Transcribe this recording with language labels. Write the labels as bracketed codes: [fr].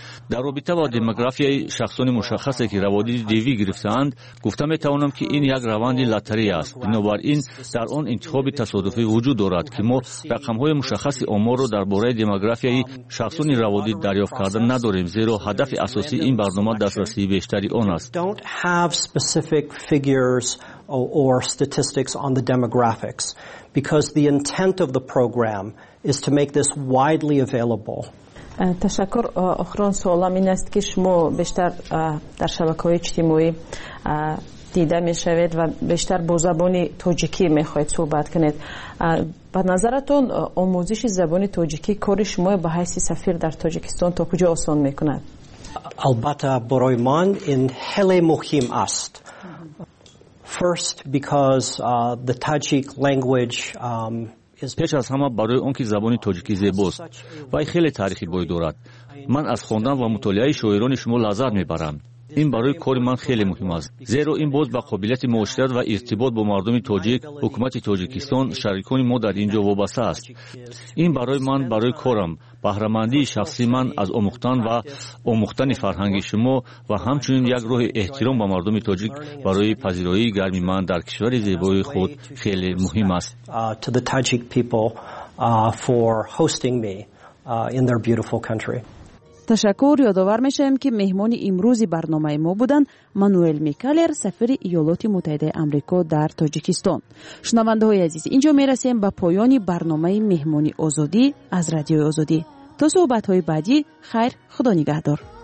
[fa] در رابطه با دموگرافی شخصان مشخصی که روادید دیوی گرفتند گفته می توانم که این یک روند لاتری است، بنابراین در آن انتخاب تصادفی وجود دارد که ما رقم های مشخصی آمار را درباره دموگرافی شخصان روادید دریافت کرده نداریم، زیرا هدف اساسی این برنامه دسترسی بیشتر [en] don't have specific figures or statistics on the demographics because the intent of the program is to make this widely available. [fa] تشکر. اخران سوالم این است که شما بیشتر در شبکه‌های اجتماعی دیده می شوید و بیشتر با زبان تاجیکی می خواهید صحبت کنید. به نظرتون آموزش زبان تاجیکی کار شما به حیث سفیر در تاجیکستان تا کجا آسان می کند؟ البته برای من این خیلی مهم است. [en] First because the Tajik language [fa] پیش از همه برای اون که زبان تاجیکی زیباست و خیلی تاریخی بوی دارد. من از خواندن و مطالعه شاعران شما لذت میبرم. این برای کار من خیلی مهم است، زیرا این باز به قابلیت معاشرت و ارتباط با مردم تاجیک، حکومت تاجیکستان، شریکان ما در اینجا وابسته است. این برای من، برای کارم، بهره‌مندی شخصی من از آموختن و آموختن فرهنگ شما و همچنین یک روح احترام به مردم تاجیک برای پذیرایی گرم من در کشور زیبای خود خیلی مهم است. [en] To the Tajik people for hosting me in their beautiful country. [fa] تشکر. یادآور میشیم که مهمان امروز برنامه ما بودند مانوئل میکالر، سفیر ایالات متحده آمریکا در تاجیکستان. شنونده های عزیز، اینجا میرسیم به پایان برنامه مهمان آزادی از رادیو آزادی. تا صحبت های بعدی خیر، خدا نگهدار.